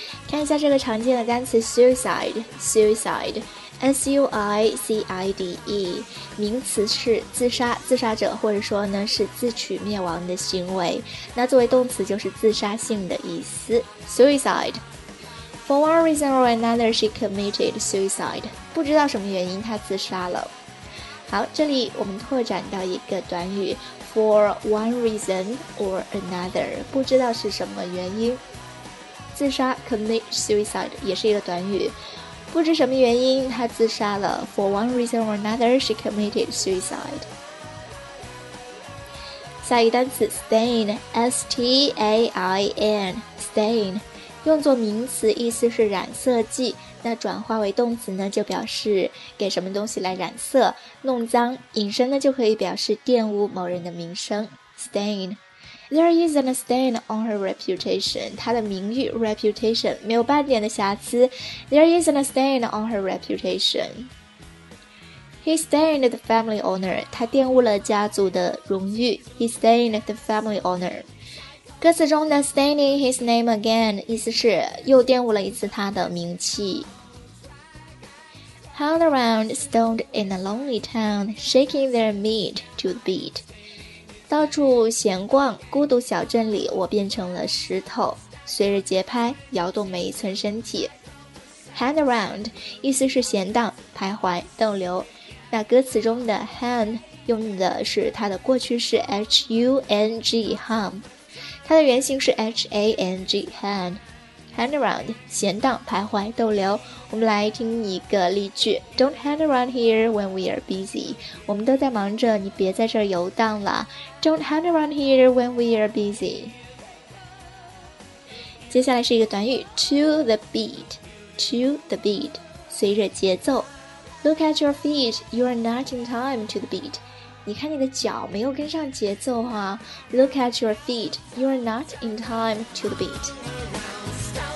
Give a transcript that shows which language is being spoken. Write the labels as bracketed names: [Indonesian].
[Chinese] 看一下这个常见的单词 suicide, suicide, S-U-I-C-I-D-E, 名词是自杀，自杀者或者说呢是自取灭亡的行为。那作为动词就是自杀性的意思。 [English] Suicide. For one reason or another, she committed suicide. [Chinese] 不知道什么原因她自杀了。好，这里我们拓展到一个短语 , [English] for one reason or another, [Chinese] 不知道是什么原因。自杀 ,commit suicide, 也是一个短语。不知什么原因她自杀了。 [English] For one reason or another, she committed suicide. [Chinese] 下一个单词 ,stain, S-T-A-I-N, stain. 用作名词意思是染色剂，那转化为动词呢就表示给什么东西来染色弄脏，引申呢就可以表示玷污某人的名声。 [English] Stain. There isn't a stain on her reputation. [Chinese] 她的名誉 reputation 没有半点的瑕疵。 [English] There isn't a stain on her reputation. He stained the family honor. [Chinese] 他玷污了家族的荣誉。 [English] He stained the family honor. [Chinese] 歌词中的 [English] staining his name again [Chinese] 意思是又玷污了一次他的名气。 [English] Hung around stoned in a lonely town, shaking their meat to the beat. [Chinese] 到处闲逛，孤独小镇里，我变成了石头，随着节拍摇动每一寸身体。 Hung around 意思是闲荡、徘徊、逗留。那歌词中的 hung 用的是它的过去式 H-U-N-G, hung. 它的原型是 H-A-N-G, hang, hang around, 闲荡、徘徊、逗留。我们来听一个例句 [English] ,Don't hang around here when we are busy. [Chinese] 我们都在忙着，你别在这儿游荡了。 [English] Don't hang around here when we are busy. [Chinese] 接下来是一个短语 ,to the beat, to the beat, 随着节奏。 [English] Look at your feet, you are not in time to the beat. [Chinese] 你看你的脚没有跟上节奏啊。 [English] Look at your feet, you are not in time to the beat.